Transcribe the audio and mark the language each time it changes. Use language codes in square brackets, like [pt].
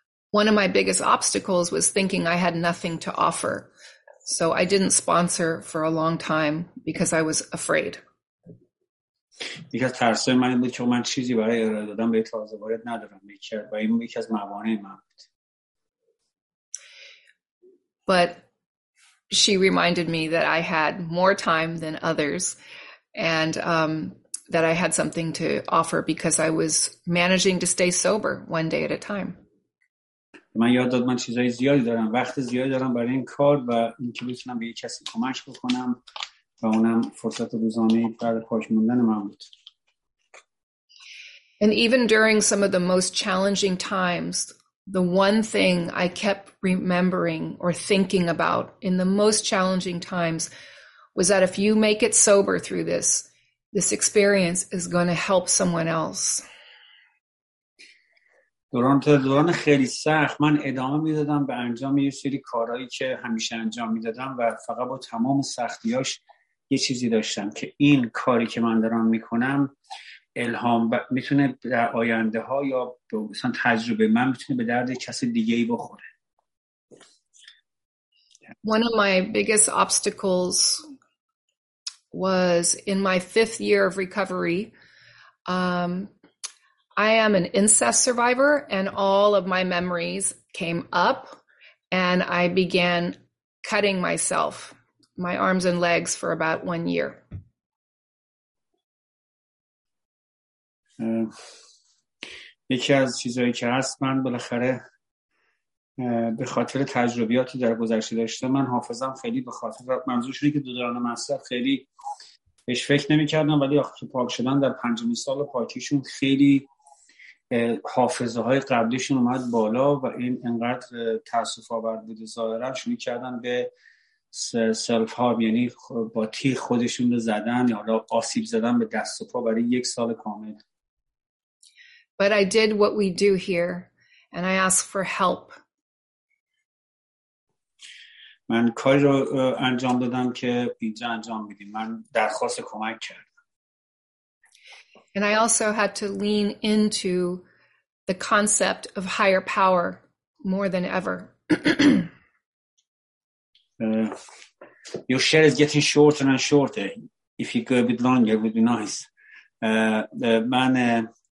[en] One of my biggest obstacles was thinking I had nothing to offer. So I didn't sponsor for a long time because I was afraid. Because [fa] ترسای من بود که من چیزی برای ارائه دادن به تازه وارد ندارم. یکی از موانع من بود. [en] But she reminded me that I had more time than others and that I had something to offer because I was managing to stay sober one day at a time. [fa] من یاد داد من چیزهای زیادی دارم، وقت زیادی دارم برای این کار و اینکه بتونم به یک کسی کمک بکنم و اونم فرصت روزانه بعد پاک موندن من بود. [en] And even during some of the most challenging times, the one thing I kept remembering or thinking about in the most challenging times was that if you make it sober through this experience is going to help someone else. [fa] دوران خیلی سخت من ادامه میدادم به انجام یه سری کارهایی که همیشه انجام میدادم و فقط با تمام سختیاش یه چیزی داشتم که این کاری که من دارم میکنم الهام میتونه در آینده ها یا مثلا تجربه من میتونه به درد کسی دیگه ای بخوره. [en] One of my biggest obstacles was in my 5th year of recovery. I am an incest survivor and all of my memories came up and I began cutting myself, my arms and legs for about 1 year. [fa] یکی از چیزهایی که هست من بالاخره به خاطر تجربیاتی در گذشته داشته من حافظم خیلی به خاطر منظور شده که دوران مصرف خیلی بهش فکر نمی کردم ولی آخه که پاک شدن در 5 سال پاکیشون خیلی حافظه های قبلیشون اومد بالا و این انقدر تأسف آور بود ظاهرن شروع کردن به سلف هارم، یعنی با تیغ خودشون رو زدن یا آسیب زدن به دست و پا برای 1 سال کامل. [en] But I did what we do here and I asked for help. [fa] من کاری رو انجام دادم که اینجا انجام میدیم. من درخواست کمک کردم. [en] And I also had to lean into the concept of higher power more than ever. Your share is getting shorter and shorter. If you go a bit longer, it would be nice. Man,